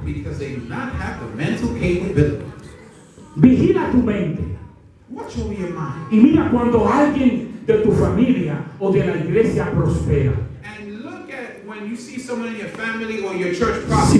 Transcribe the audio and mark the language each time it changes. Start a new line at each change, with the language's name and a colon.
English: Because they do not have the mental capability.
Spanish: Vigila tu mente.
English: Watch over your mind.
Spanish: Y mira cuando alguien de tu familia o de la iglesia prospera.
English: And look at when you see someone in your family or your church prosper.